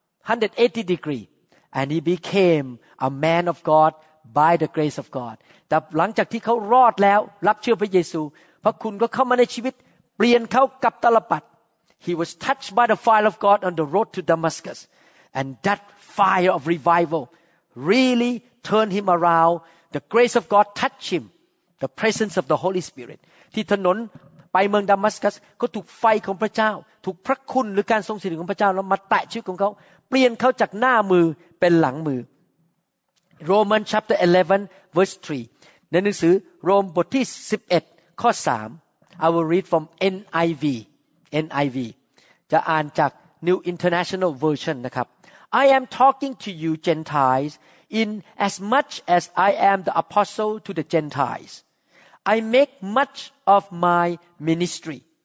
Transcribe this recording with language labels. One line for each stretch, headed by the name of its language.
English: 180 degree and he became a man of God by the grace of God
Thai: แต่หลังจากที่เขารอดแล้วรับเชื่อพระเยซูพระคุณก็เข้ามาในชีวิตเปลี่ยนเขากับตลปัด
English: He was touched by the fire of God on the road to Damascus. And that fire of revival really turned him around. The grace of God touched him. The presence of the Holy Spirit.
Thai: ที่ถนน ไปเมืองดามัสกัสเขาถูกไฟของพระเจ้าถูกพระคุณหรือการทรงสถิตของพระเจ้าแล้วมาแตะชีวิตของเขาเปลี่ยนเขาจากหน้ามือเป็นหลังมือ
English: Roman chapter 11 verse 3
Thai: ในหนังสือโรมบทที่11ข้อ3
English: I will read from NIV
Thai: จะอ่านจาก New International Version นะครับ
English: I am talking to you Gentiles in as much as I am the apostle to the GentilesI make much of my ministry.